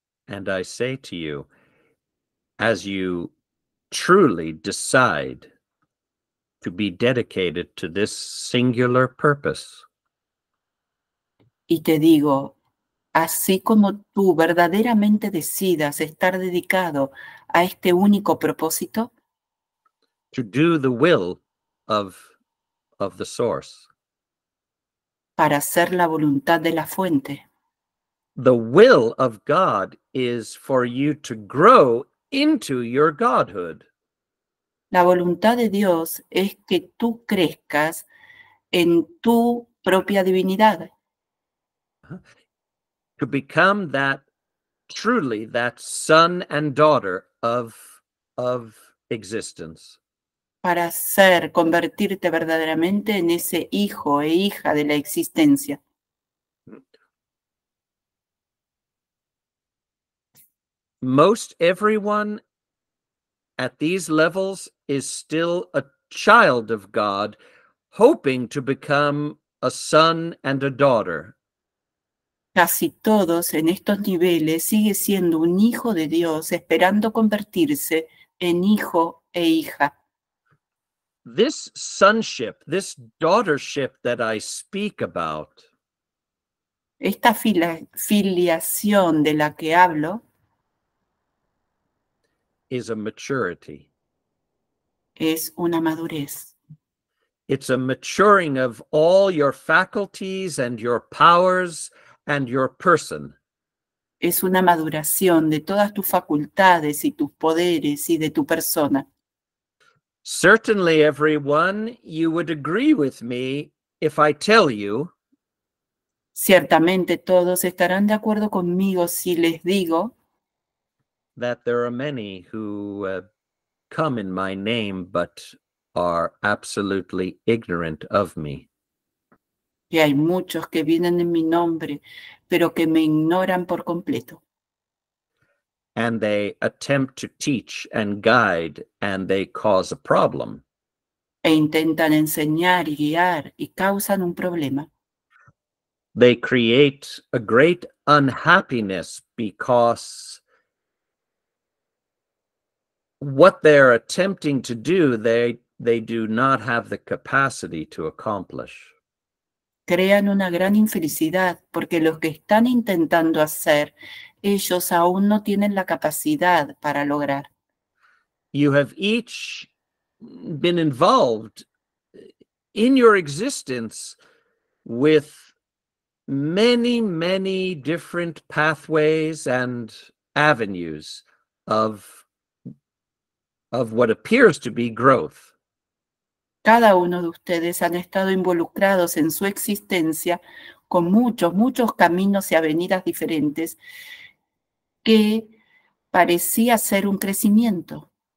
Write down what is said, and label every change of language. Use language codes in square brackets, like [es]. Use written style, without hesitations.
[en] And I say to you, as you truly decide to be dedicated to this singular purpose. [es] Y te digo, así como tú verdaderamente decidas estar dedicado a este único propósito, [en] to do the will of the source. [es] Para hacer la voluntad de la fuente. [en] The will of God is for you to grow into your godhood. [es] La voluntad de Dios es que tú crezcas en tu propia divinidad. [en] To become that truly that son and daughter of existence. [es] Para ser, convertirte verdaderamente en ese hijo e hija de la existencia. [en] Most everyone at these levels is still a child of God, hoping to become a son and a daughter. [es] Casi todos en estos niveles sigue siendo un hijo de Dios esperando convertirse en hijo e hija. [en] This sonship, this daughtership that I speak about, [es] esta filiación de la que hablo, [en] is a maturity. [es] Es una madurez. [en] It's a maturing of all your faculties and your powers and your person. [es] Es una maduración de todas tus facultades y tus poderes y de tu persona. [en] Certainly, everyone, you would agree with me if I tell you. [es] Ciertamente todos estarán de acuerdo conmigo si les digo [en] that there are many who come in my name but are absolutely ignorant of me. [es] Y hay muchos que vienen en mi nombre, pero que me ignoran por completo. [en] And they attempt to teach and guide and they cause a problem. [es] E intentan enseñar y guiar y causan un problema. [en] They create a great unhappiness because what they're attempting to do, they do not have the capacity to accomplish. [es] Crean una gran infelicidad porque lo que están intentando hacer, ellos aún no tienen la capacidad para lograr. [en] You have each been involved in your existence with many, many different pathways and avenues of what appears to be growth. [es] Cada uno de ustedes han estado involucrados en su existencia con muchos, muchos caminos y avenidas diferentes que parecía ser un crecimiento.